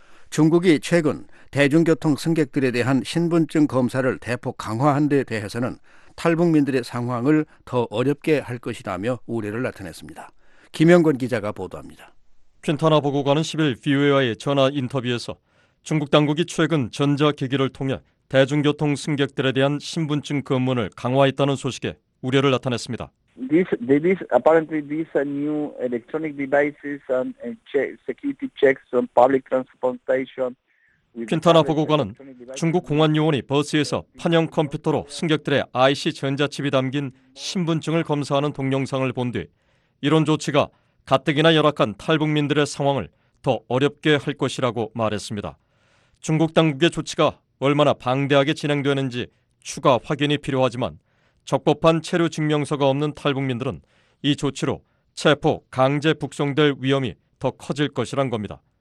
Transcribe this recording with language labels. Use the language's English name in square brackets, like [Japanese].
[Korean] 중국이 최근 대중교통 승객들에 대한 신분증 검사를 대폭 강화한 데 대해서는 탈북민들의 상황을 더 어렵게 할 것이라며 우려를 나타냈습니다. 김영건 기자가 보도합니다. 퀸타나 보고관은 10일 VOA와의 전화 인터뷰에서 중국 당국이 최근 전자기기를 통해 대중교통 승객들에 대한 신분증 검문을 강화했다는 소식에 우려를 나타냈습니다. [English] These new electronic devices and security checks on public transportation. [Korean] 퀸타나 보고관은 중국 공안 요원이 버스에서 판형 컴퓨터로 승객들의 IC 전자칩이 담긴 신분증을 검사하는 동영상을 본 뒤 이런 조치가 가뜩이나 열악한 탈북민들의 상황을 더 어렵게 할 것이라고 말했습니다. 중국 당국의 조치가 얼마나 방대하게 진행되는지 추가 확인이 필요하지만 적법한 체류 증명서가 없는 탈북민들은 이 조치로 체포, 강제 북송될 위험이 더 커질 것이란 겁니다.